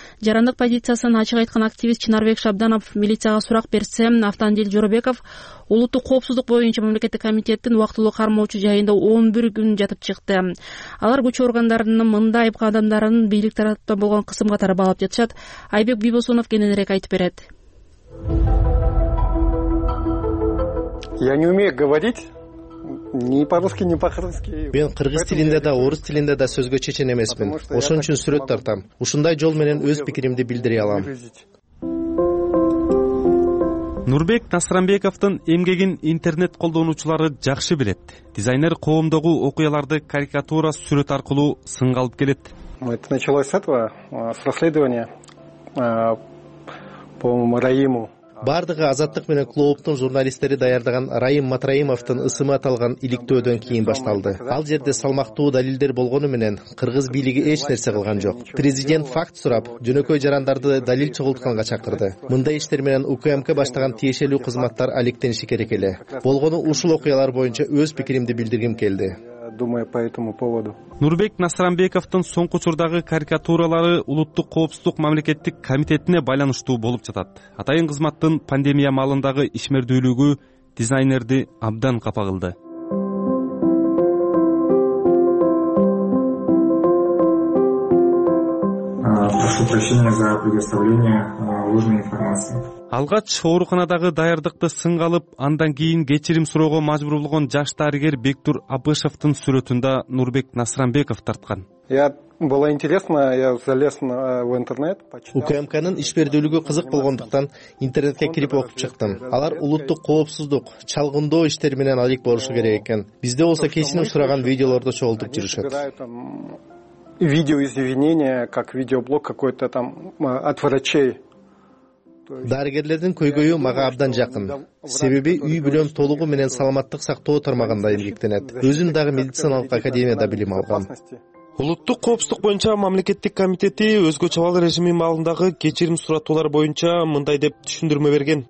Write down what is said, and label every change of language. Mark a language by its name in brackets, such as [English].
[Kyrgyz] Жарандык позициясын ачык айткан активист Чынарбек Шабданов милицияга сурак берсе, Автандил Жоробеков улуттук коопсуздук боюнча мамлекеттик комитеттин убактылуу кармоочу жайында 11 күн жатып чыкты. Алар күч органдарынын мындай айыпка адамдарын бийлик тараптан болгон кысым катары баалап жатышат. Айбек Бибосунов кененирээк айтып берет. [Russian] Я не умею говорить ни по-русски, ни по-кыргызски. [Kyrgyz] Мен кыргыз тилинде да, орус тилинде да сөзгө чечен эмесмин. Ошон үчүн сүрөт тартам. Ушундай жол менен өз пикиримди билдире алам. Нурбек Насрамбековдун эмгегин интернет колдонуучулары жакшы билет. Дизайнер коомдогу окуяларды карикатура, сүрөт аркылуу сынга алып келет. [Russian] Это началось с этого, с расследования. По-моему, Раиму. [Kyrgyz] Бардыгы Азаттык менен клубтун журналисттери даярдаган Раим Матраимовдун ысымы аталган иликтөөдөн кийин башталды. Ал жерде салмактуу далилдер болгону менен кыргыз бийлиги эч нерсе кылган жок. Президент факт сурап, жөнөкөй жарандарды далил чогултканга чакырды. Мындай иштер менен УКМК баштаган тиешелүү кызматтар алектениши керек эле. Болгону ушул окуялар боюнча өз пикиримди билдиргим келди. [Russian] Думаю по этому поводу. [Kyrgyz] Нурбек Насрамбековдун соңку учурдагы карикатуралары улуттук коопсуздук мамлекеттик комитетине байланыштуу болуп жатат. Атайын кызматтын пандемия маалындагы ишмердүүлүгү дизайнерди абдан капа кылды. [Russian] Прошу прощения за предоставление ложной информации. [Kyrgyz] Алгач ооруканадагы даярдыкты сынга алып, андан кийин кечирим суроого мажбур болгон жаш дарыгер Бектур Абышевдин сүрөтүндө Нурбек Насрамбеков тарткан. [Russian] Я Было интересно, я залез в интернет. [Kyrgyz] УКМКнын ишбердүүлүгү кызык болгондуктан интернетке кирип окуп чыктым. Алар улуттук коопсуздук, чалгындоо иштери менен алек болушу керек экен. Бизде болсо кечинин сураган видеолорду чогултуп жүрүшөт. [Russian] Видео извинения, как видеоблог какой-то там от врачей. [Kyrgyz] Дарыгерлердин көйгөйү мага абдан жакын. Себеби үй бүлөм толугу менен саламаттык сактоо тармагында эмгектенет. Өзүм дагы медициналык академияда билим алгам. Улуттук коопсуздук боюнча мамлекеттик комитети өзгөчө абал режими маалындагы кечирим суратуулар боюнча мындай деп түшүндүрмө берген.